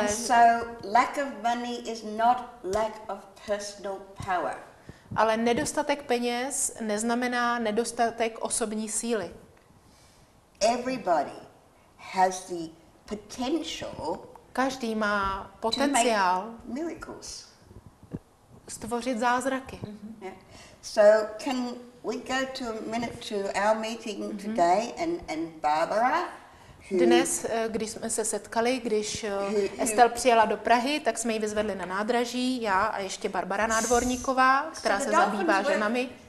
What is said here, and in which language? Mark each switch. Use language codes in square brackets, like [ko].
[en] and so lack of money is not lack of personal power. [cs] Ale nedostatek peněz neznamená nedostatek osobní síly. [en] Everybody has the potential. [cs] Každý má potenciál [en] miracles. [cs] Stvořit zázraky. [en] So can we go to a minute to our meeting today and Barbara? [cs] Dnes, když jsme se setkali, když Estel přijela do Prahy, tak jsme ji vyzvedli na nádraží, já a ještě Barbara Nádvorníková, která se zabývá ženami.